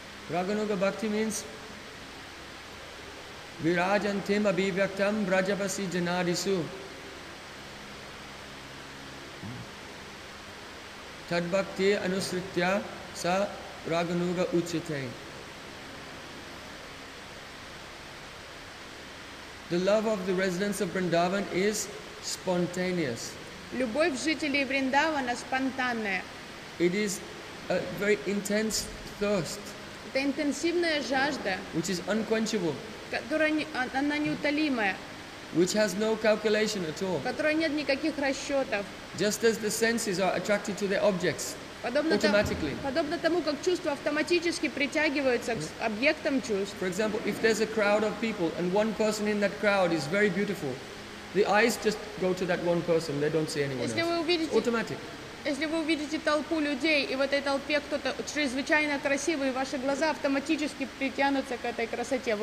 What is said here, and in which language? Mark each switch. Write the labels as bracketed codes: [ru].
[sa] Рагануга Бхакти [en] means [sa] Вираджантим Абивьяктам Враджапаси Джанадису Тад Бхакти Анусритья са Рагануга Учите. [en] The love of the residents of Vrindavan is spontaneous. [ru] Любовь жителей Вриндавана спонтанная. [en] It is a very intense thirst. [ru] Это интенсивная жажда. [en] Which is unquenchable. [ru] Которая неутолимая. [en] Which has no calculation at all. [ru] Которой нет никаких расчетов. [en] Just as the senses are attracted to the objects. [ru] Подобно тому, как чувства автоматически притягиваются к объектам чувств. [en] For example, if there's a crowd of people and one person in that crowd is very beautiful, the eyes just go to that one person, they don't see anyone else. [ru] Если вы увидите толпу людей, и в этой толпе кто-то чрезвычайно красивый, ваши глаза автоматически притянутся к этой красоте.